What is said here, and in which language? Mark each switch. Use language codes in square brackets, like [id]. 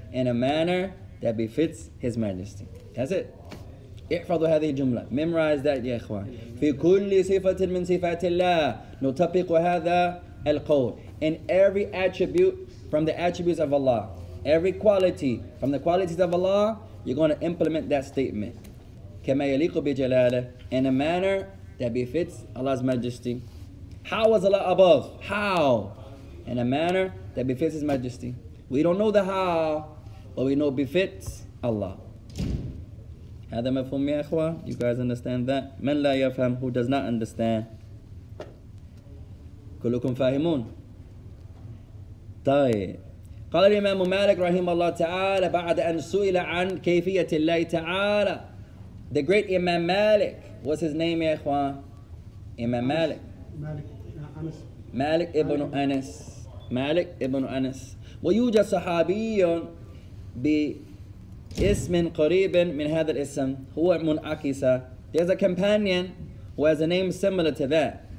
[en] In a manner that befits His majesty. That's it. [ar] احفظوا هذه الجملة. [en] Memorize that, يا إخوان. [ar] في كل صفة من صفات الله نطبق هذا القول. [en] In every attribute from the attributes of Allah, every quality from the qualities of Allah, you're going to implement that statement. [ar] كما يليق بجلاله. [en] In a manner that befits Allah's majesty. How is Allah above? How? In a manner that befits His majesty. We don't know the how, but we know befits Allah. [ar] هذا مفهوم يا أخوة. [en] You guys understand that? [ar] من لا يفهم, [en] who does not understand. [ar] كلكم فاهمون. طيب. قال الإمام مالك رحمه الله تعالى بعد أن سئل عن كيفية الله تعالى. [en] The great Imam Malik. What's his name, يا إخوان? Imam Malik. Malik ibn Anas. Malik ibn Anas. [ar] ويوجد صحابي باسم قريب من هذا الاسم هو منعكس. [en] There's a companion who has a name similar to that.